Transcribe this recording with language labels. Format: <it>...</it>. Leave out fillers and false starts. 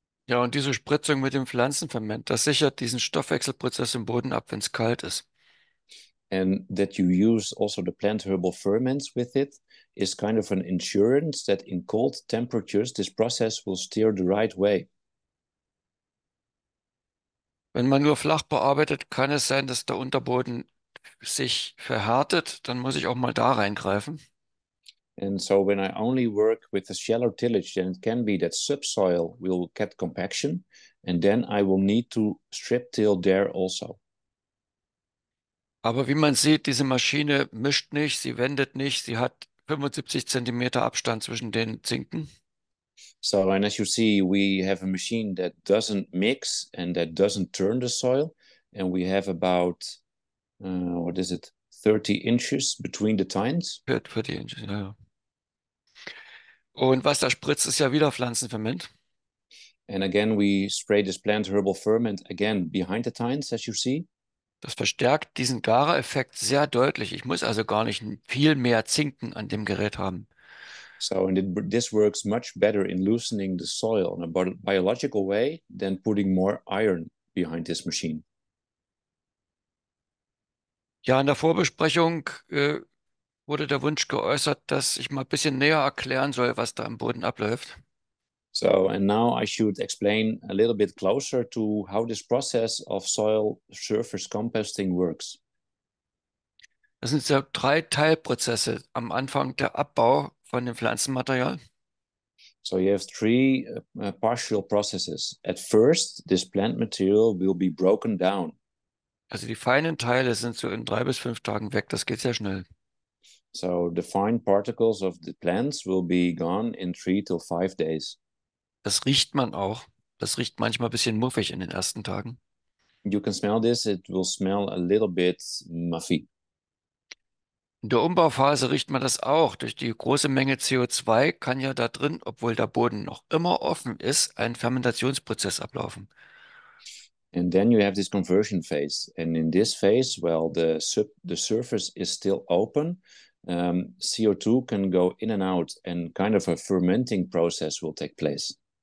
<de>Ja, und diese Spritzung mit dem Pflanzenferment, das sichert diesen Stoffwechselprozess im Boden ab, wenn es kalt ist.</de> <en>And that you use also the plant herbal ferments with it is kind of an insurance that in cold temperatures this process will steer the right way.</en> <de>Wenn man nur flach bearbeitet, kann es sein, dass der Unterboden sich verhärtet, dann muss ich auch mal da reingreifen.</de> <en>And so when I only work with a shallow tillage, then it can be that subsoil will get compaction and then I will need to strip till there also.</en> <de>Aber wie man sieht, diese Maschine mischt nicht, sie wendet nicht, sie hat 75 cm Abstand zwischen den Zinken.</de> <en>So and as you see, we have a machine that doesn't mix and that doesn't turn the soil and we have about, 30 inches between the tines. 30 inches, ja.</en> <de>Und was da spritzt, ist ja wieder Pflanzenferment.</de> <en>And again, we spray this plant herbal ferment again behind the tines, as you see.</en> <de>Das verstärkt diesen Gare-Effekt sehr deutlich. Ich muss also gar nicht viel mehr Zinken an dem Gerät haben.</de> <en>So, and this works much better in loosening the soil in a biological way than putting more iron behind this machine.</en> <de>Ja, in der Vorbesprechung wurde der Wunsch geäußert, dass ich mal ein bisschen näher erklären soll, was da im Boden abläuft.</de> <en>So, and now I should explain a little bit closer to how this process of soil surface composting works.</en> <de>Das sind so drei Teilprozesse am Anfang der Abbau von dem Pflanzenmaterial.</de> <en>So you have three partial processes. At first, this plant material will be broken down.</en> <de>Also die feinen Teile sind so in 3 bis 5 Tagen weg. Das geht sehr schnell.</de> <en>So the fine particles of the plants will be gone in 3 to 5 days.</en> <de>Das riecht man auch. Das riecht manchmal ein bisschen muffig in den ersten Tagen.</de> <en>You can smell this. It will smell a little bit muffy.</en> <de>In der Umbauphase riecht man das auch. Durch die große Menge CO2 kann ja da drin, obwohl der Boden noch immer offen ist, ein Fermentationsprozess ablaufen.</de> <en>And then you have this conversion phase. And in this phase, while the surface is still open, CO2 can go in and out and kind of a fermenting process will take place.</en>